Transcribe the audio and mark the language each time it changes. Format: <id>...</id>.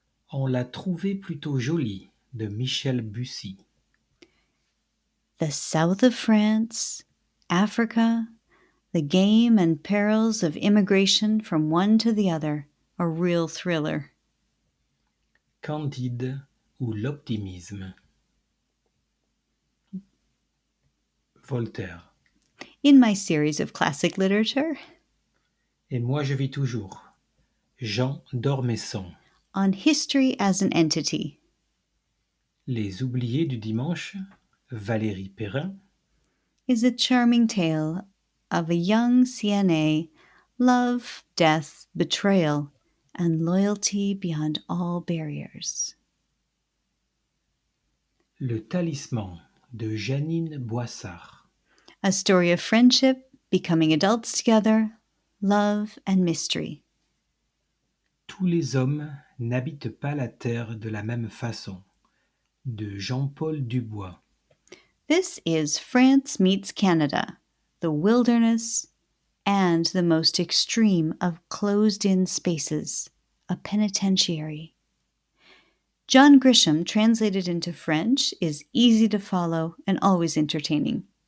<fr>On l'a trouvé plutôt jolie, de Michel Bussy.</fr> <en>The South of France, Africa, the game and perils of immigration from one to the other, a real thriller.</en> <fr>Candide, ou l'optimisme. Voltaire.</fr> <en>in my series of classic literature.</en> <fr>Et moi je vis toujours. Jean d'Ormesson.</fr> <en>On history as an entity.</en> <fr>Les oubliés du dimanche, Valérie Perrin.</fr> <en>Is a charming tale of a young CNA, love, death, betrayal, and loyalty beyond all barriers.</en> <fr>Le talisman de Janine Boissard.</fr> <en>A story of friendship, becoming adults together, love and mystery.</en> <fr>Tous les hommes n'habitent pas la terre de la même façon, de Jean-Paul Dubois.</fr> <en>This is France meets Canada, the wilderness and the most extreme of closed-in spaces, a penitentiary. John Grisham, translated into French, is easy to follow and always entertaining.</en>